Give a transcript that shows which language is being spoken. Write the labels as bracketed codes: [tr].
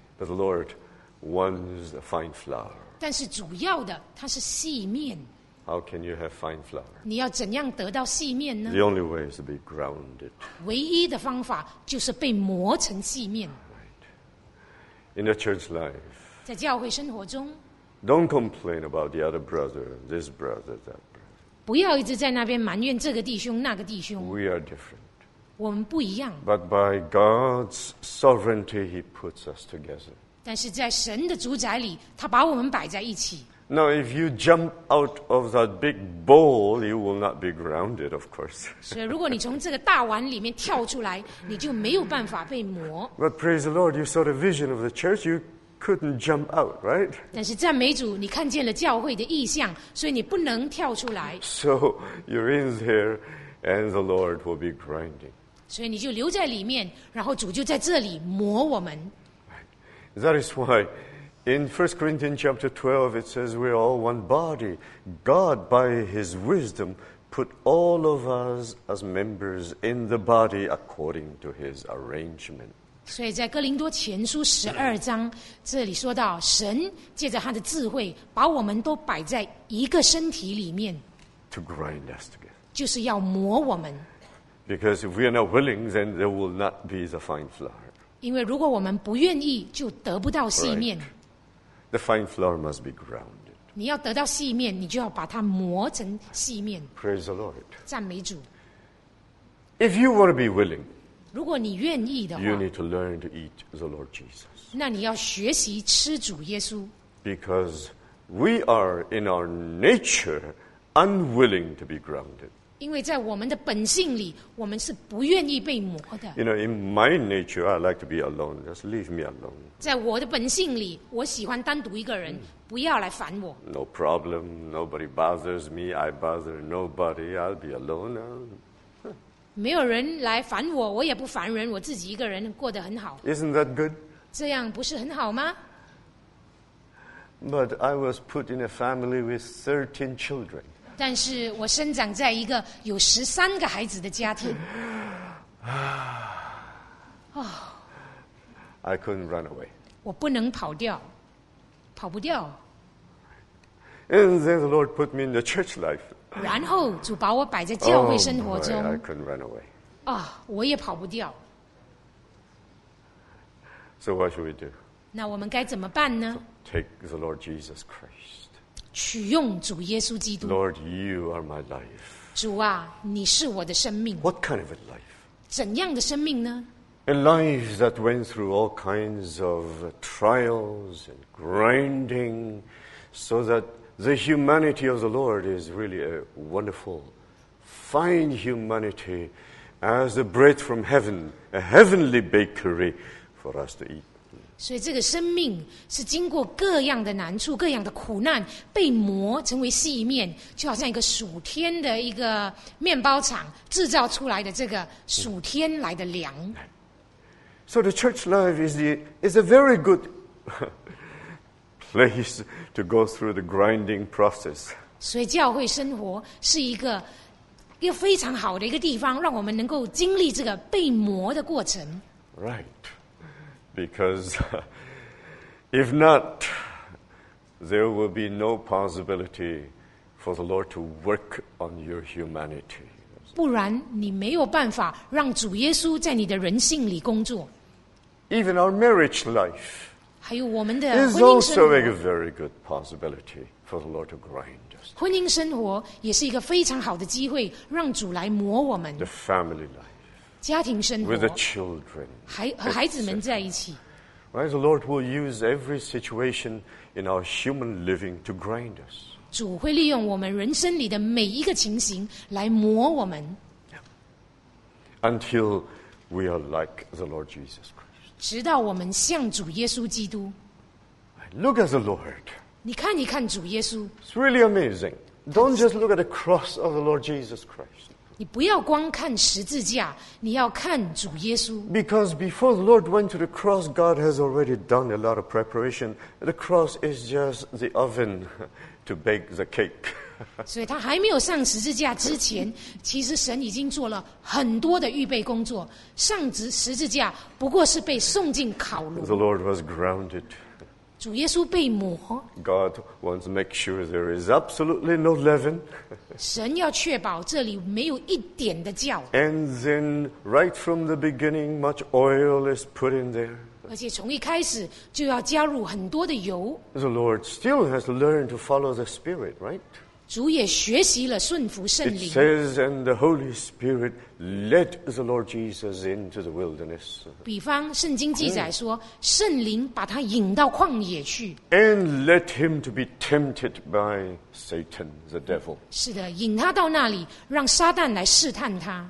[en] But the Lord wants a fine flour. [zh] 但是主要的，它是细面。 [en] How can you have fine flour? [zh] 你要怎样得到细面呢？ [en] The only way is to be grounded. [zh] 唯一的方法就是被磨成细面。 [en] In the church life, [zh] 在教会生活中， [en] don't complain about the other brother, this brother, that brother. [zh] 不要一直在那边埋怨这个弟兄那个弟兄。 [en] We are different. [zh] 我们不一样。 [en] But by God's sovereignty, He puts us together. [zh] 但是在神的主宰里，他把我们摆在一起。 [en] Now, if you jump out of that big bowl, you will not be grounded, of course. [zh] 所以，如果你从这个大碗里面跳出来，你就没有办法被磨。 [en] But praise the Lord, you saw the vision of the church. You couldn't jump out, right? [zh] 但是赞美主，你看见了教会的意象，所以你不能跳出来。 [en] So you're in there, and the Lord will be grinding. [zh] 所以你就留在里面，然后主就在这里磨我们。 [en] That is why. In 1 Corinthians chapter 12, it says we are all one body. God, by his wisdom, put all of us as members in the body according to his arrangement. [zh] 所以在哥林多前书十二章，这里说到，神借着他的智慧，把我们都摆在一个身体里面。 [en] To grind us together. [zh] 就是要磨我们。 [en] Because if we are not willing, then there will not be the fine flour. [zh] 因为如果我们不愿意，就得不到细面。 [en] The fine flour must be ground. [zh] 你要得到细面，你就要把它磨成细面。 [en] Praise the Lord. [zh] 赞美主。 [en] If you want to be willing, [zh] 如果你愿意的话 [en] you need to learn to eat the Lord Jesus. [zh] 那你要学习吃主耶稣。 [en] Because we are in our nature unwilling to be grounded. [zh] 因为在我们的本性里，我们是不愿意被磨的。 [en] You know, in my nature, I like to be alone. Just leave me alone. [zh] 在我的本性里，我喜欢单独一个人，不要来烦我。 [en] No problem. Nobody bothers me. I bother nobody. I'll be alone. [zh] 没有人来烦我，我也不烦人，我自己一个人过得很好。 [en] Isn't that good? [zh] 这样不是很好吗？ [en] But I was put in a family with 13 children. [zh] 但是我生长在一个有13个孩子的家庭。 [en] I couldn't run away. [zh] 我不能跑掉，跑不掉。 [en] And then the Lord put me in the church life. [zh] 然后主把我摆在教会生活中。 [en] I couldn't run away. [zh] 我也跑不掉。 [en] So what should we do? [zh] 那我们该怎么办呢？ [en] Take the Lord Jesus Christ. [zh] 取用主耶稣基督。 [en] Lord, you are my life. [zh] 主啊，你是我的生命。 [en] What kind of a life? [zh] 怎样的生命呢？ [en] A life that went through all kinds of trials and grinding, so that the humanity of the Lord is really a wonderful, fine humanity, as the bread from heaven, a heavenly bakery for us to eat. [zh] 所以这个生命是经过各样的难处各样的苦难被磨成为细面就好像一个属天的一个面包厂制造出来的这个属天来的粮 [en] So the church life is a very good place to go through the grinding process [zh] 所以教会生活是一个非常好的一个地方让我们能够经历这个被磨的过程 [en] RightBecause if not, there will be no possibility for the Lord to work on your humanity. [zh] 不然你没有办法让主耶稣在你的人性里工作。 [en] Even our marriage life [zh] 还有我们的婚姻生活 [en] is also a very good possibility for the Lord to grind us. [zh] 婚姻生活也是一个非常好的机会让主来磨我们。 [en] The family life. [zh] 家庭生活 [en] with the children, [zh] 和孩子们在一起 [en] right, The Lord will use every situation in our human living to grind us [zh] 主会利用我们人生里的每一个情形来磨我们 [en] Until we are like the Lord Jesus Christ [zh] 直到我们像主耶稣基督 [en] Look at the Lord [zh] 你看一看主耶稣 [en] It's really amazing Don't just look at the cross of the Lord Jesus Christ [zh] 你不要光看十字架，你要看主耶稣。 [en] Because before the Lord went to the cross, God has already done a lot of preparation. The cross is just the oven to bake the cake. [zh] 所以他还没有上十字架之前，其实神已经做了很多的预备工作。上十字架不过是被送进烤炉。 [en] The Lord was grounded. [zh] 主耶稣被磨。 [en] God wants to make sure there is absolutely no leaven. [zh] 神要确保这里没有一点的酵。 [en] And then, right from the beginning, much oil is put in there. [zh] 而且从一开始就要加入很多的油。 [en] The Lord still has to learn to follow the Spirit, right? [zh] 主也学习了顺服圣灵。 [en] It says, and the Holy Spirit led the Lord Jesus into the wilderness. [zh] 比方圣经记载说，圣灵把他引到旷野去。 [en] And led him to be tempted by Satan, the devil. [zh] 是的，引他到那里，让撒旦来试探他。